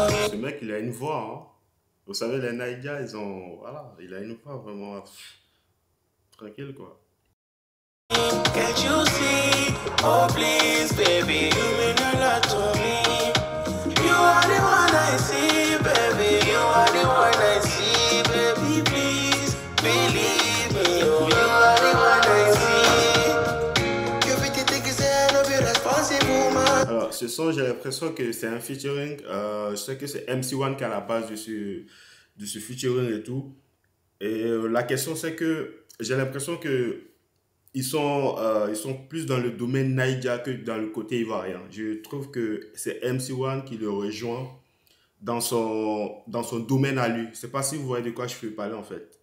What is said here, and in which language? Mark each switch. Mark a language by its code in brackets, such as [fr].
[fr] Ce mec, il a une voix. Hein. Vous savez, les Naïdia, ils ont. Voilà, il a une voix vraiment. Tranquille, quoi. [en] Can't you see? Oh, please, baby, you mean a lot to me. You are the one I see, baby. You are the one I see, baby. Please, believe me. You are the one I see. You pretty think you say I don't be responsible, man. [fr] Alors, ce son, j'ai l'impression que c'est un featuring. Je sais que c'est MC One qui a la base de ce featuring et tout. Et la question, c'est que. J'ai l'impression que ils sont plus dans le domaine Naija que dans le côté ivoirien. Je trouve que c'est MC One qui le rejoint dans son domaine à lui. Je sais pas si vous voyez de quoi je veux parler en fait.